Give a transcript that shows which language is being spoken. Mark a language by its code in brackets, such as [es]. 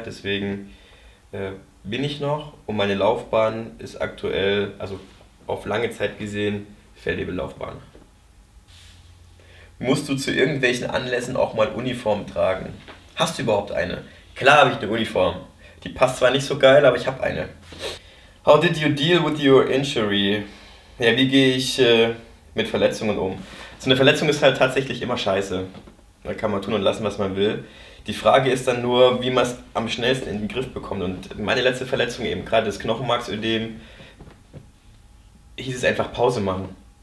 [de] Deswegen bin ich noch und meine Laufbahn ist aktuell, also auf lange Zeit gesehen, Feldwebellaufbahn. Musst du zu irgendwelchen Anlässen auch mal Uniform tragen? Hast du überhaupt eine? Klar habe ich eine Uniform. Die passt zwar nicht so geil, aber ich habe eine. [en] How did you deal with your injury? [de] Ja, wie gehe ich mit Verletzungen um? So eine Verletzung ist halt tatsächlich immer scheiße. Da kann man tun und lassen, was man will. Die Frage ist dann nur, wie man es am schnellsten in den Griff bekommt. Und meine letzte Verletzung eben, gerade das Knochenmarksödem, hieß es einfach Pause machen.